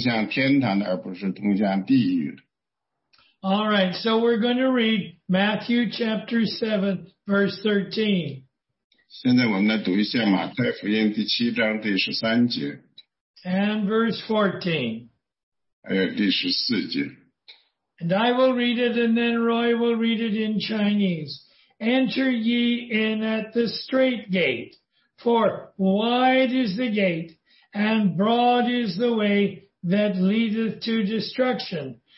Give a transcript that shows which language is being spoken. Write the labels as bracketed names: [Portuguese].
[Chinese] 然后呢，在这个宽路上呢，其实有一个门，这个门呢，它通向的是一条窄路。这个窄路呢，是给你通向天堂的，而不是通向地狱的。 [English] All right, so we're going to read Matthew chapter 7, verse 13. [Chinese] 现在我们来读一下马太福音第七章第十三节。 [English] And verse 14. [Chinese] 还有第十四节, [English] and I will read it, and then Roy will read it in Chinese. Enter ye in at the straight gate, for wide is the gate, and broad is the way that leadeth to destruction.